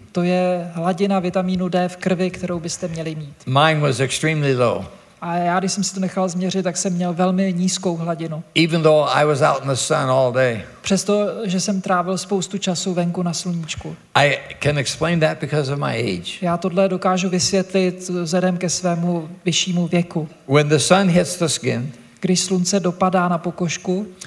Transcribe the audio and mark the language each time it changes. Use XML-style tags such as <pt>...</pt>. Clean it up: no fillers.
<cs>To je hladina vitamínu D v krvi, kterou byste měli mít.</cs> <en>Mine was extremely low.</en> <cs>A já, když jsem si to nechal změřit, tak jsem měl velmi nízkou hladinu.</cs> <en>Even though I was out in the sun all day.</en> <cs>Přesto, že jsem trávil spoustu času venku na sluníčku.</cs> <en>I can explain that because of my age.</en> <cs>Já tohle dokážu vysvětlit vzhledem ke svému vyššímu věku.</cs> <en>When the sun hits the skin,</en> <cs>když slunce dopadá na pokožku,</cs>